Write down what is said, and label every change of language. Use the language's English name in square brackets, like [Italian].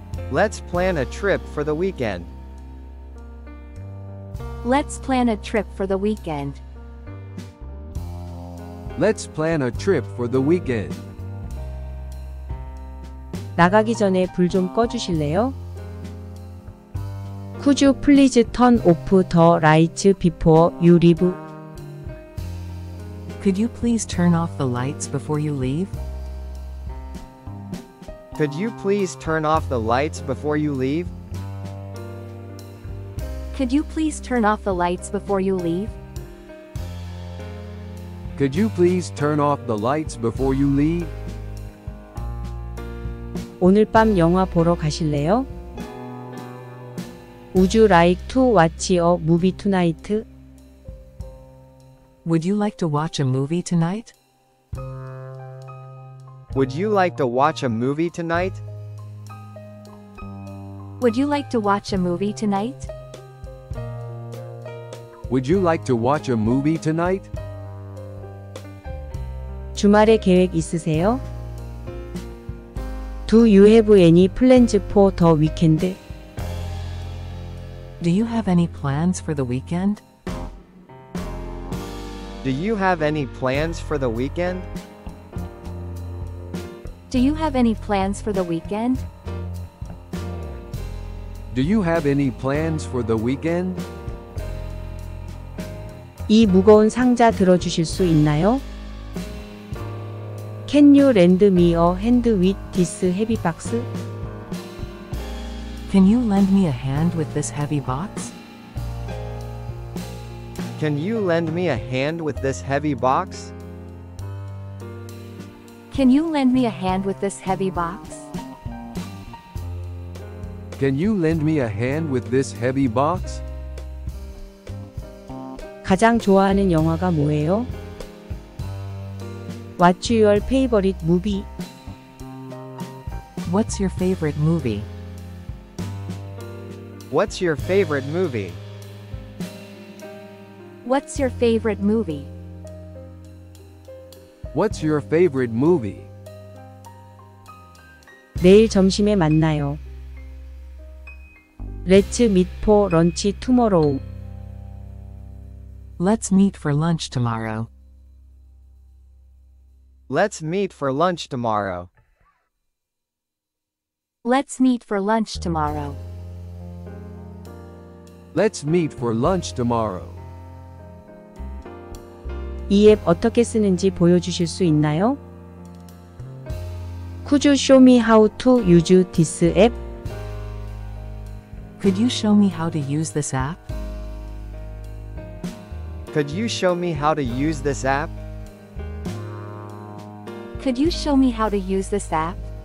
[English] Let's plan a trip for the weekend. Let's plan a trip for the weekend. Let's plan a trip for the weekend. [Korean] 나가기 전에 불 좀 꺼주실래요? [English] Could you please turn off the lights before you leave? Could you please turn off the lights before you leave? Could you please turn off the lights before you leave? Could you please turn off the lights before you leave? Could you please turn off the lights before you leave? [Korean] 오늘 밤 영화 보러 가실래요? [English] Would you like to watch a movie tonight? Would you like to watch a movie tonight? Would you like to watch a movie tonight? Would you like to watch a movie tonight? Would you like to watch a movie tonight? [Korean] 주말에 계획 있으세요? [English] Do you have any plans for the weekend? Do you have any plans for the weekend? Do you have any plans for the weekend? Do you have any plans for the weekend? Do you have any plans for the weekend? [Korean] 이 무거운 상자 들어주실 수 있나요? [English] Can you lend me a hand with this heavy box? Can you lend me a hand with this heavy box? Can you lend me a hand with this heavy box? Can you lend me a hand with this heavy box? Can you lend me a hand with this heavy box? [Korean] 가장 좋아하는 영화가 뭐예요? [English] What's your favorite movie? What's your favorite movie? What's your favorite movie? What's your favorite movie? What's your favorite movie? [Korean] 내일 점심에 만나요. [English] Let's meet for lunch tomorrow. Let's meet for lunch tomorrow. Let's meet for lunch tomorrow. Let's meet for lunch tomorrow. Let's meet for lunch tomorrow. [Korean] 이 앱 어떻게 쓰는지 보여주실 수 있나요? [English] Could you show me how to use this app? Could you show me how to use this app? Could you show me how to use this app? Could you show me how to use this app?